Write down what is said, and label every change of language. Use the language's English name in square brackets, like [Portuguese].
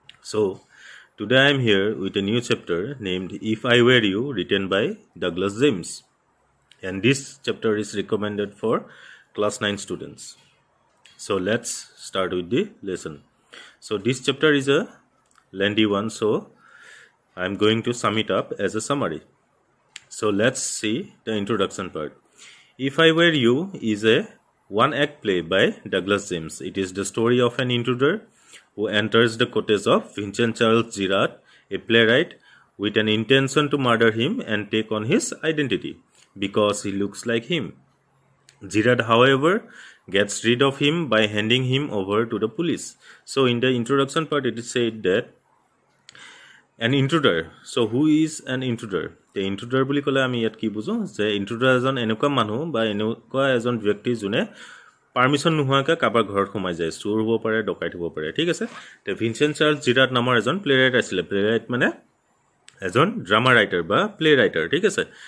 [English] So today I am here with a new chapter named if I were you, written by Douglas James, and this chapter is recommended for class 9 students. So let's start with the lesson. So this chapter is a lengthy one, so I am going to sum it up as a summary. So let's see the introduction part. If I Were You is a one-act play by Douglas James. It is the story of an intruder who enters the cottage of Vincent Charles Girard, a playwright, with an intention to murder him and take on his identity because he looks like him. Girard, however, gets rid of him by handing him over to the police. So in the introduction part, it is said that an intruder. So who is an intruder? [Assamese] এতিয়া ইণ্ট্ৰুডাৰ বুলি ক'লে আমি ইয়াত কি বুজোঁ, যে ইণ্ট্ৰুডাৰ এজন এনেকুৱা মানুহ বা এনেকুৱা এজন ব্যক্তি যোনে পাৰ্মিশ্যন নোহোৱাকৈ কাৰোবাৰ ঘৰত সোমাই যায়, চোৰ হ'ব পাৰে, ডকাইত হ'ব পাৰে, ঠিক আছে। এতিয়া ভিনচেণ্ট চাৰ্লছ জিৰাৰ্ড নামৰ এজন প্লে ৰাইটাৰ আছিলে, প্লে ৰাইট মানে এজন ড্ৰামা ৰাইটাৰ বা প্লে ৰাইটাৰ, ঠিক আছে।